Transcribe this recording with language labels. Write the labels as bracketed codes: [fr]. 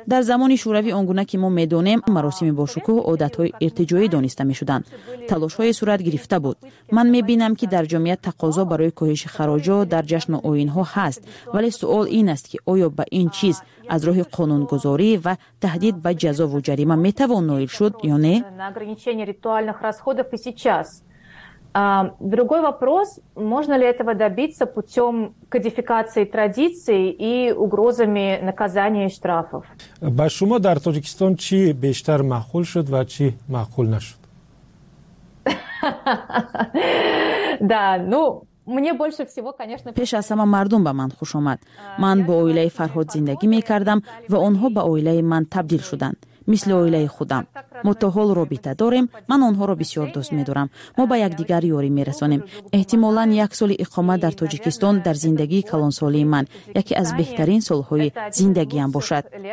[fa] در زمان شوروی آنگونه که ما میدونیم مراسم باشکوه عادت های ارتجایی دانسته میشدند، تلاش های صورت گرفته بود. من میبینم که در جامعه تقاضا برای کاهش خراجات در جشن و آیین ها هست، ولی سوال این است که آیا به این چیز از راه قانون گذاری و تهدید به جزا و جریمه میتوان نائل شد یا نه؟ [ru] на ограничение ритуальных расходов и сейчас. Другой вопрос, можно ли этого добиться путём кодификации традиций и угрозами наказания и штрафов. [tg] Ба шумо дар Тоҷикистон чи бештар маъқул шуд ва чи маъқул нашуд? [ru] Да, ну мне больше всего, конечно, [tg] пеш аз ҳама мардум ба ман хуш омад. Ман бо оилаи Фарҳод зиндагӣ мекардам ва онҳо ба оилаи ман табдил шуданд. [fa] مثل اویله خودم. ما تا حال رابطه داریم. من آنها را بسیار دوست می دارم. ما به یک دیگر یاری می رسانیم. احتمالاً یک سال اقامت در تاجیکستان در زندگی کلان سالی من یکی از بهترین سالهای زندگیم باشد.